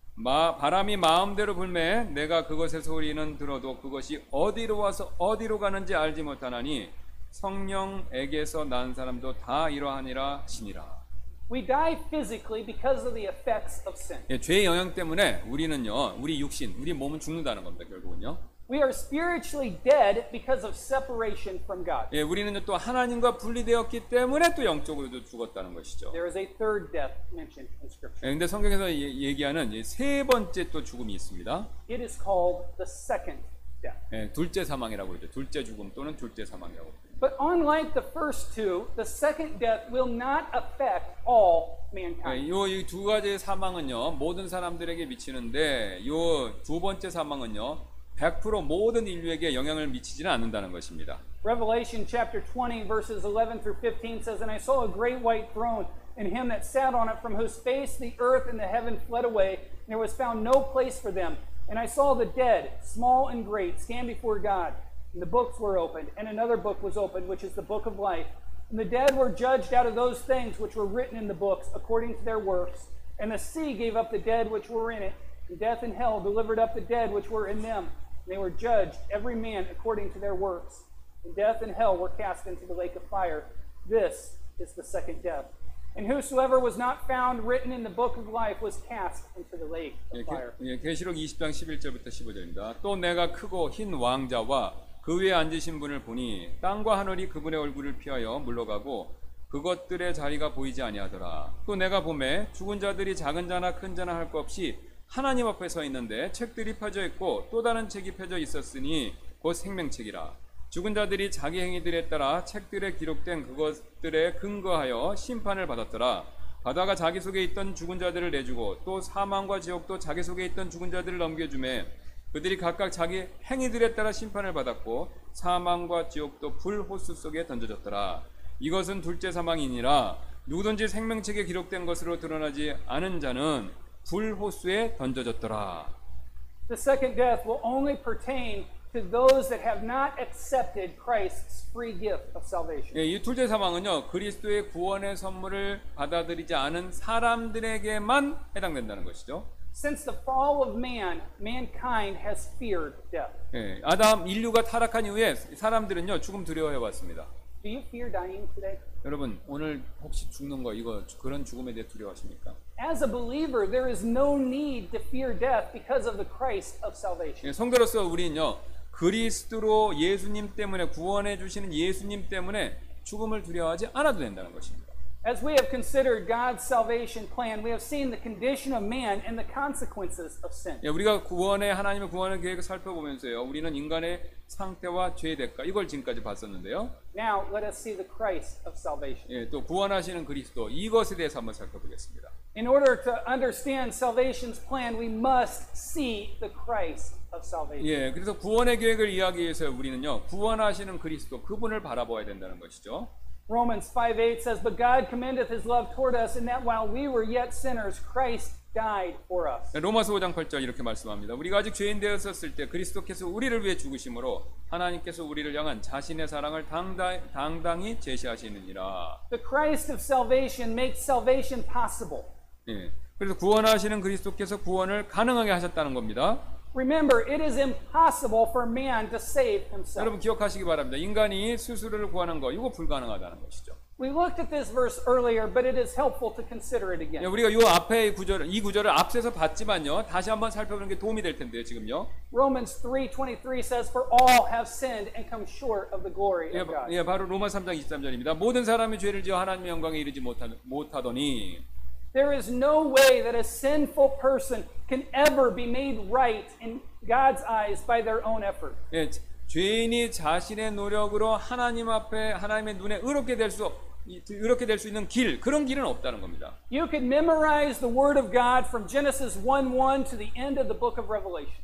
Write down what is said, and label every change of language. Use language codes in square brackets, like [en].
[ko] 바람이 마음대로 불매 내가 그것의 소리는 들어도 그것이 어디로 와서 어디로 가는지 알지 못하나니 성령에게서 난 사람도 다 이러하니라 하시니라. [en] We die physically because of the effects of sin. [ko] 예, 죄의 영향 때문에 우리는요, 우리 육신, 우리 몸은 죽는다는 겁니다, 결국은요. [en] We are spiritually dead because of separation from God. [ko] 예, 우리는 또 하나님과 분리되었기 때문에 또 영적으로도 죽었다는 것이죠. [en] There is a third death mentioned in Scripture. [ko] 예, 근데 성경에서 얘기하는 세 번째 또 죽음이 있습니다. [en] It is called the second death. [ko] 예, 둘째 사망이라고 해요. 둘째 죽음 또는 둘째 사망이라고. [en] But unlike the first two, the second death will not affect all mankind. [ko] 요 이 두 가지 사망은요 모든 사람들에게 미치는데 요 두 번째 사망은요 100% 모든 인류에게 영향을 미치지는 않는다는 것입니다. [en] Revelation chapter 20 verses 11 through 15 says, "And I saw a great white throne, and him that sat on it, from whose face the earth and the heaven fled away, and there was found no place for them. And I saw the dead, small and great, stand before God." And the books were opened, and another book was opened, which is the book of life. And the dead were judged out of those things which were written in the books, according to their works. And the sea gave up the dead which were in it, and death and hell delivered up the dead which were in them. And they were judged, every man, according to their works. And death and hell were cast into the lake of fire. This is the second death. And whosoever was not found written in the book of life was cast into the lake of fire. [ko] 예, 계시록 20장 11절부터 15절입니다. 또 내가 크고 흰 왕좌와 그 위에 앉으신 분을 보니 땅과 하늘이 그분의 얼굴을 피하여 물러가고 그것들의 자리가 보이지 아니하더라. 또 내가 보매 죽은 자들이 작은 자나 큰 자나 할 것 없이 하나님 앞에 서 있는데 책들이 펴져 있고 또 다른 책이 펴져 있었으니 곧 생명책이라. 죽은 자들이 자기 행위들에 따라 책들에 기록된 그것들에 근거하여 심판을 받았더라. 바다가 자기 속에 있던 죽은 자들을 내주고 또 사망과 지옥도 자기 속에 있던 죽은 자들을 넘겨주매 그들이 각각 자기 행위들에 따라 심판을 받았고 사망과 지옥도 불호수 속에 던져졌더라. 이것은 둘째 사망이니라. 누구든지 생명책에 기록된 것으로 드러나지 않은 자는 불호수에 던져졌더라. [en] The second death will only pertain to those that have not accepted Christ's free gift of salvation. [ko] 예, 이 둘째 사망은요 그리스도의 구원의 선물을 받아들이지 않은 사람들에게만 해당된다는 것이죠. [en] Since the fall of man, mankind has feared death. [ko] 예, 아담 인류가 타락한 이후에 사람들은요 죽음 두려워해 왔습니다. [en] Do you fear dying today? [ko] 여러분 오늘 혹시 죽는 거 이거 그런 죽음에 대해 두려워하십니까? [en] As a believer, there is no need to fear death because of the Christ of salvation. [ko] 예, 성도로서 우리는요 그리스도로 예수님 때문에 구원해 주시는 예수님 때문에 죽음을 두려워하지 않아도 된다는 것입니다. [en] As we have considered God's salvation plan, we have seen the condition of man and the consequences of sin. [ko] 예, 우리가 구원의 하나님의 구원의 계획을 살펴보면서요, 우리는 인간의 상태와 죄의 대가 이걸 지금까지 봤었는데요. [en] Now let us see the Christ of salvation. [ko] 예, 또 구원하시는 그리스도 이것에 대해서 한번 살펴보겠습니다. [en] In order to understand salvation's plan, we must see the Christ of salvation. [ko] 예, 그래서 구원의 계획을 이해하기 위해서 우리는요, 구원하시는 그리스도 그분을 바라봐야 된다는 것이죠. [en] Romans 5:8 says, "But God commendeth His love toward us, in that while we were yet sinners, Christ died for us." [ko] 로마서 5장 8절 이렇게 말씀합니다. 우리가 아직 죄인 되었었을 때 그리스도께서 우리를 위해 죽으심으로 하나님께서 우리를 향한 자신의 사랑을 당당히 제시하시느니라. [en] The Christ of salvation makes salvation possible. [ko] 예, 그래서 구원하시는 그리스도께서 구원을 가능하게 하셨다는 겁니다. [en] Remember, it is impossible for man to save himself. [ko] 여러분 기억하시기 바랍니다. 인간이 스스로를 구하는 거 이거 불가능하다는 것이죠. [en] We looked at this verse earlier, but it is helpful to consider it again. [ko] 예, 우리가 이 앞에 구절, 이 구절을 앞에서 봤지만요, 다시 한번 살펴보는 게 도움이 될 텐데요, 지금요. [en] Romans 3:23 says, "For all have sinned and come short of the glory of God." [ko] 예, 예, 바로 로마 3장 23절입니다. 모든 사람이 죄를 지어 하나님의 영광에 이르지 못하더니. [en] There is no way that a sinful person can ever be made right in God's eyes by their own effort. [ko] 예, 죄인이 자신의 노력으로 하나님 앞에 하나님의 눈에 의롭게 될 수 있는 길, 그런 길은 없다는 겁니다. [en] You can memorize the word of God from Genesis 1:1 to the end of the book of Revelation.